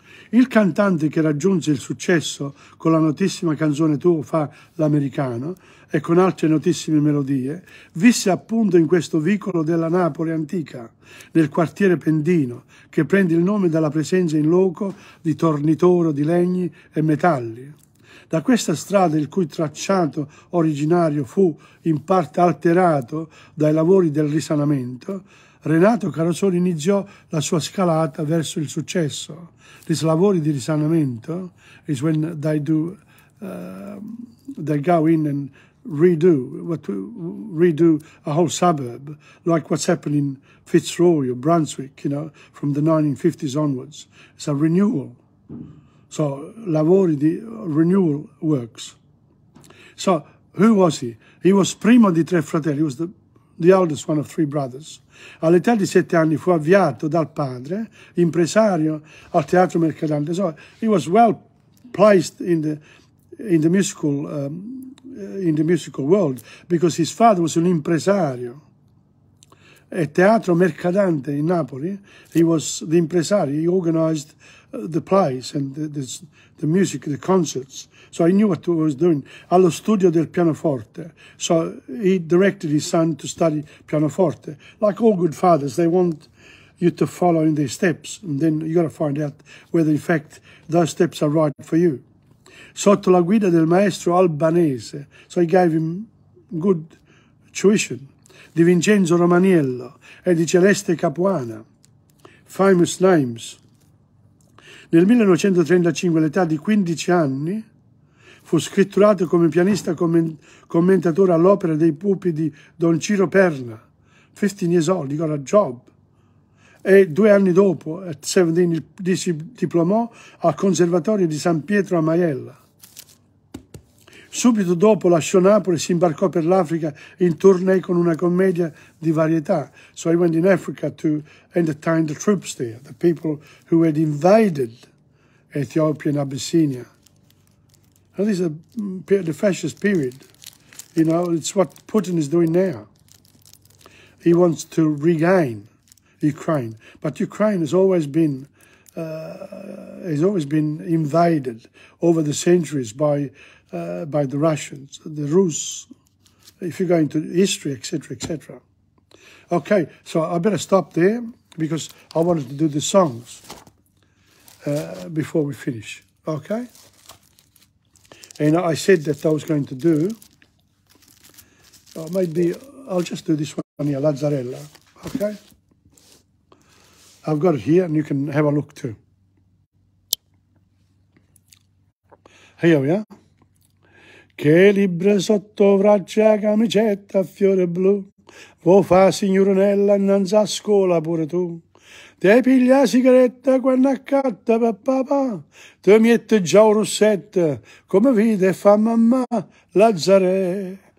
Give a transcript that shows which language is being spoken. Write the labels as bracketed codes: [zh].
[it] Il cantante che raggiunse il successo con la notissima canzone Tu fa l'americano e con altre notissime melodie, visse appunto in questo vicolo della Napoli antica, nel quartiere Pendino, che prende il nome dalla presenza in loco di tornitori di legni e metalli. Da questa strada, il cui tracciato originario fu in parte alterato dai lavori del risanamento, Renato Carosone iniziò la sua scalata verso il successo. I lavori di risanamento [en] is when they go in and redo a whole suburb, like what's happening in Fitzroy or Brunswick, you know, from the 1950s onwards. It's a renewal. So, [it] lavori di [en] renewal works. So, who was he? He was [it] primo di tre fratelli. [en] He was the oldest one of three brothers. [it] All'età di 7 anni fu avviato dal padre, impresario, al teatro mercadante. [en] So he was well placed in the musical world because his father was an impresario. A teatro mercadante in Napoli, he was the impresario. He organized the plays and the music, the concerts. So he knew what he was doing. [it] Allo studio del pianoforte. [en] So he directed his son to study pianoforte. Like all good fathers, they want you to follow in their steps. And then you got to find out whether, in fact, those steps are right for you. [it] Sotto la guida del maestro albanese. [en] So he gave him good tuition. [it] Di Vincenzo Romaniello e di Celeste Capuana. [en] Famous names. [it] Nel 1935, all'età di 15 anni, fu scritturato come pianista commentatore all'opera dei pupi di Don Ciro Perna. [en] 15 years old, he got a job. [it] E due anni dopo, [en] at 17, [it] si diplomò al Conservatorio di San Pietro a Maiella. Subito dopo lasciò Napoli e si imbarcò per l'Africa in tournée con una commedia di varietà. [en] So he went in Africa to entertain the troops there, the people who had invaded Ethiopia and Abyssinia. And this is the fascist period. You know, it's what Putin is doing now. He wants to regain Ukraine. But Ukraine has always been invaded over the centuries by the Russians, the Rus, if you go into history, etc., etc. Okay, so I better stop there because I wanted to do the songs before we finish, okay? And I said that I was going to do, maybe I'll just do this one here, Lazzarella, okay? I've got it here and you can have a look too. Here we are. [nap] Che libro sotto braccia, camicetta a fiore blu, vuoi fa signoronella innanzi a scuola pure tu. Te piglia sigaretta quando accatta papà, te mette già un rossetto, come vide fa mamma, Lazzare.